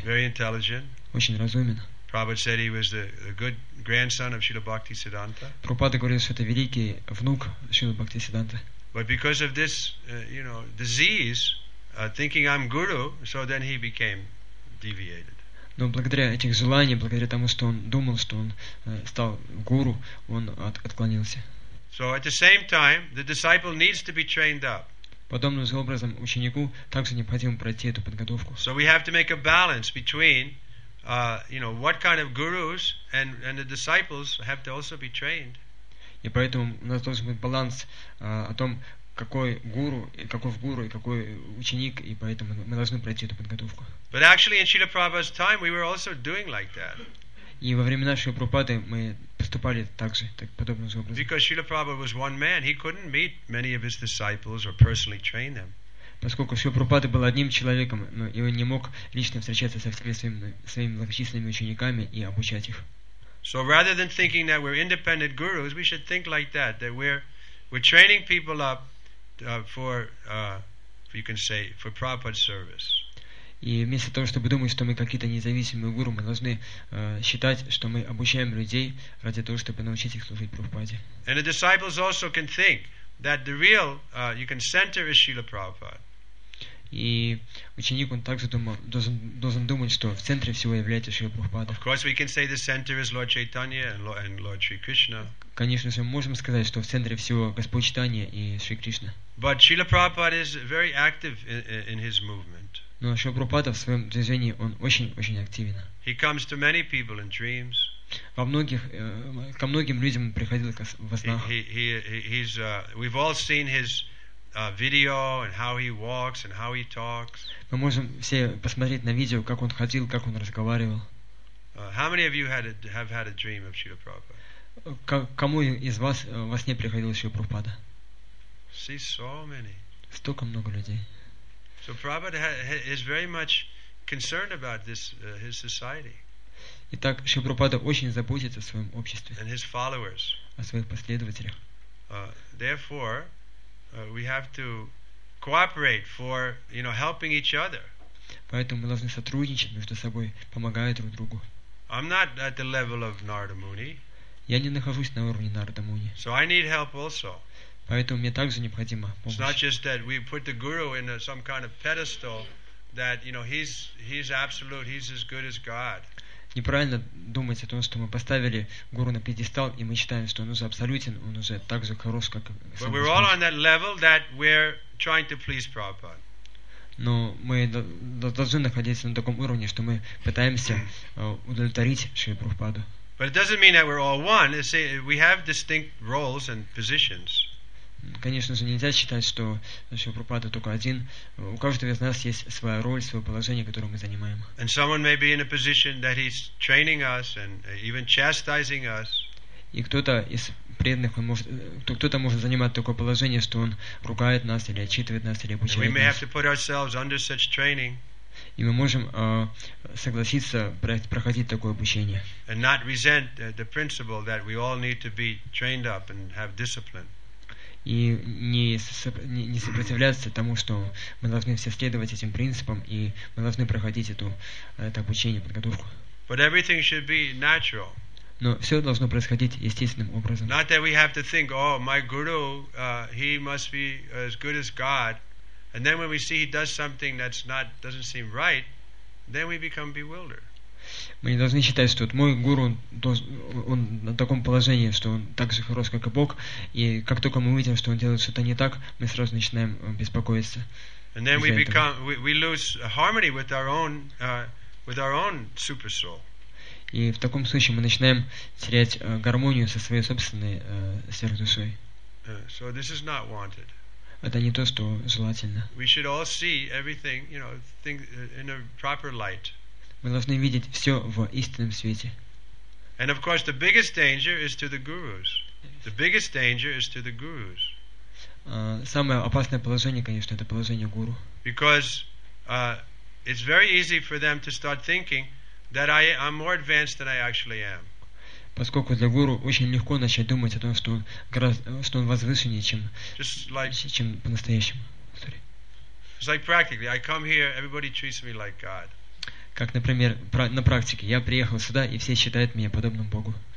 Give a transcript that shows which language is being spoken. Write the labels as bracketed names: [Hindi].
[English] Very intelligent. [Russian] Очень разумен. [English] Prabhupada said he was the good grandson of Srila Bhaktisiddhanta. [Russian] Прабхупада говорил, что это великий внук Шрилы Бхактисиддханты. [English] But because of this, you know, disease, thinking I'm guru, so then he became deviated. [Russian] Но благодаря этих желаний, благодаря тому, что он думал, что он стал гуру, он отклонился. [English] So at the same time, the disciple needs to be trained up. [Russian] Подобным же образом ученику также необходимо пройти эту подготовку. [English] So we have to make a balance between, you know, what kind of gurus and the disciples have to also be trained. [Russian] И поэтому у нас должен быть баланс о том, какой гуру, и каков гуру и какой ученик, и поэтому мы должны пройти эту подготовку. [English] But actually in Srila Prabhupada's time we were also doing like that. [Russian] И во времена Шрилы Прабхупады мы поступали также, так подобным образом. [English] Because Srila Prabhupada was one man, he couldn't meet many of his disciples or personally train them. [Russian] Поскольку Шрила Прабхупада был одним человеком, но и он не мог лично встречаться со всеми своими многочисленными учениками и обучать их. [English] So rather than thinking that we're independent gurus, we should think like that, that we're training people up for you can say, for Prabhupada's service. [Russian] И вместо того, чтобы думать, что мы какие-то независимые гуру, мы должны считать, что мы обучаем людей ради того, чтобы научить их служить Прабхупаде. [English] And the disciples also can think that the real, you can center is Srila Prabhupada. [Russian] И ученик, он также должен думать, что в центре всего является Шрила Прабхупада. [English] Of course, we can say the center is Lord Chaitanya and Lord Sri Krishna. [Russian] Конечно, мы можем сказать, что в центре всего Господь Чайтанья и Шри Кришна. [English] But Srila Prabhupada is very active in his movement. [Russian] Но Шрила Прабхупада в своем движении, он очень-очень активен. [English] He comes to many people in dreams. [Russian] Ко многим людям он приходил во снах. [English] We've all seen his video and how he walks and how he talks. [Russian] Мы можем все посмотреть на видео, как он ходил, как он разговаривал. [English] How many of you have had a dream of Srila Prabhupada? [Russian] Кому из вас во сне приходил Шрила Прабхупада? [English] See so many. [Russian] Столько много людей. [English] So Prabhupada is very much concerned about this his society. [Russian] Итак, Шрила Прабхупада очень заботится о своем обществе. [English] And his followers. [Russian] О своих последователях. [English] Therefore. We have to cooperate for, you know, helping each other. [Russian] Поэтому мы должны сотрудничать между собой, помогая друг другу. [English] I'm not at the level of Narada Muni. [Russian] Я не нахожусь на уровне Нарада Муни. [English] So I need help also. [Russian] Поэтому мне также необходима помощь. [English] It's not just that we put the guru in some kind of pedestal that, you know, he's absolute, he's as good as God. [Russian] Неправильно думать о том, что мы поставили гуру на пьедестал, и мы считаем, что он уже абсолютен, он уже так же хорош, как сам Господь. [English] But we're all on that level that we're trying to please Prabhupada. [Russian] Но мы должны находиться на таком уровне, что мы пытаемся удовлетворить Шри Прабхупаду. [English] But it doesn't mean that we're all one. It's we have distinct roles and positions. [Russian] Конечно же, нельзя считать, что Шрила Прабхупада только один. У каждого из нас есть своя роль, свое положение, которое мы занимаем. [English] And someone may be in a position that he's training us and even chastising us. [Russian] И кто-то из преданных, кто-то может занимать такое положение, что он ругает нас или отчитывает нас или обучает нас. [English] We may have to put ourselves under such training. [Russian] И мы можем согласиться проходить такое обучение. [English] And not resent the principle that we all need to be trained up and have discipline. [Russian] И не сопротивляться тому, что мы должны все следовать этим принципам, и мы должны проходить это обучение, подготовку. [English] But everything should be natural. [Russian] Но все должно происходить естественным образом. [English] Not that we have to think, oh, my guru, he must be as good as God. And then when we see he does something that's not doesn't seem right, then we become bewildered. [Russian] Мы не должны считать, что вот мой гуру, он на таком положении, что он так же хорош, как и Бог, и как только мы увидим, что он делает что-то не так, мы сразу начинаем беспокоиться. [English] And then we lose harmony with our own super soul. [Russian] И в таком случае мы начинаем терять гармонию со своей собственной сверхдушой. [English] So this is not wanted. [Russian] Это не то, что желательно. [English] We should all see everything, you know, think in a proper light. [Russian] Мы должны видеть все в истинном свете. [English] And of course, the biggest danger is to the gurus. The biggest danger is to the gurus. [Russian] Самое опасное положение, конечно, это положение гуру. [English] Because it's very easy for them to start thinking that I'm more advanced than I actually am. [Russian] Поскольку для гуру очень легко начать думать о том, что он возвышеннее, чем по-настоящему. [English] It's like practically, I come here, everybody treats me like God. [Russian] Как, например, на практике. Я приехал сюда, и все считают меня подобным Богу.